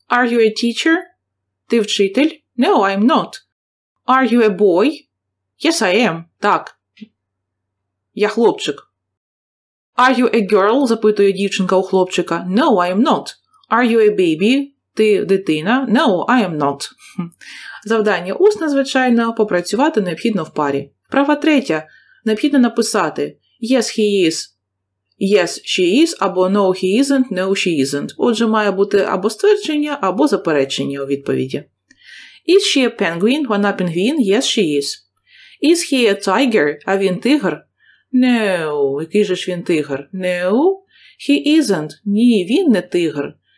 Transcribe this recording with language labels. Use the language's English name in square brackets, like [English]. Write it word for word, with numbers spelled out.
[English] Are you a teacher? [Ukrainian] Ти вчитель? [English] No, I'm not. Are you a boy? Yes, I am. [Ukrainian] Так. Я хлопчик. [English] Are you a girl? [Ukrainian] Запитує дівчинка у хлопчика. [English] No, I am not. Are you a baby? [Ukrainian] Ти дитина? [English] No, I am not. [Ukrainian] Завдання усне, звичайно, попрацювати необхідно в парі. Права третя. Необхідно написати [English] Yes, he is. Yes, she is. Або No, he isn't. No, she isn't. [Ukrainian] Отже, має бути або ствердження, або заперечення у відповіді. [English] Is she a penguin? [Ukrainian] Вона пінгвін? [English] Yes, she is. Is he a tiger? [Ukrainian] А він тигр? [English] No, [Ukrainian] який же ж він тигр? [English] No, he isn't. [Ukrainian] Ні, він не тигр.